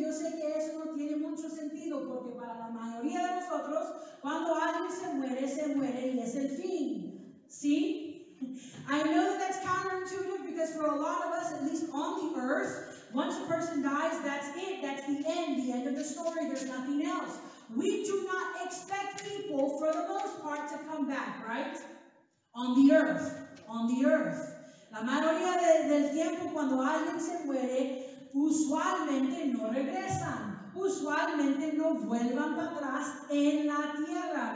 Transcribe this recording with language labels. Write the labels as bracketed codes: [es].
[es] Yo sé que eso no tiene mucho sentido, porque para la mayoría de nosotros, cuando alguien se muere y es el fin. ¿Sí? [en] I know that's counterintuitive because for a lot of us, at least on the earth, once a person dies, that's it. That's the end of the story. There's nothing else. We do not expect people, for the most part, to come back, right? On the earth. On the earth. [es] La mayoría del tiempo, cuando alguien se muere, usualmente no regresan. Usualmente no vuelvan para atrás en la tierra.